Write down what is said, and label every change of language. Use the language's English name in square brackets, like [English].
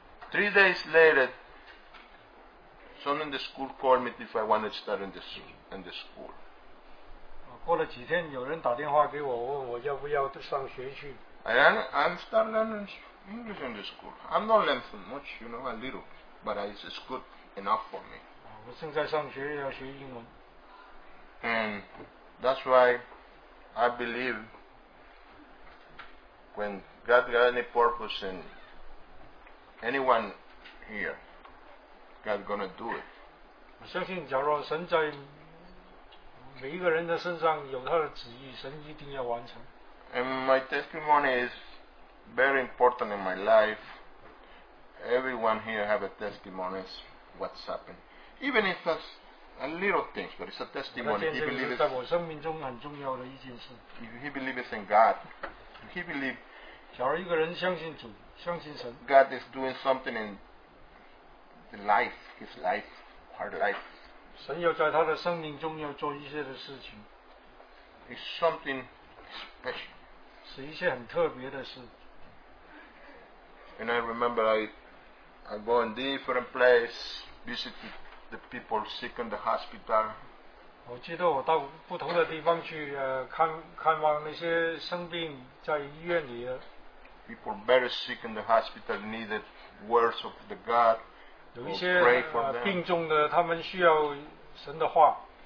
[English] 3 days later, someone in the school called me if I wanted to start in the school. [Chinese] 过了几天，有人打电话给我，问我要不要上学去。 [English] I'm start learning English in the school. I'm not learning much, you know, a little, but it's good enough for me. [Chinese] 我正在上学，要学英文。 [English] And that's why. I believe when God got any purpose in anyone here, God's gonna do it. [Chinese] 我相信，假如神在每一个人的身上有他的旨意，神一定要完成。 [English] And my testimony is very important in my life. Everyone here have a testimony of what's happened, even if it's. A little thing, but it's a testimony. He believes [Chinese] in 我生命中很重要的一件事。 [English] He believes in God. He believes. [Chinese] 假如一个人相信主，相信神。 [English] God is doing something in the life, his life, our life. [Chinese] 神要在他的生命中要做一些的事情。 [English] It's something special. [Chinese] 是一些很特别的事。 [English] And I remember I go in different place visit. The people sick in the hospital. [Chinese] 我记得我到不同的地方去看望那些生病在医院里的。 [English] People very sick in the hospital needed words of the God. [Chinese] 有一些病重的，他们需要神的话。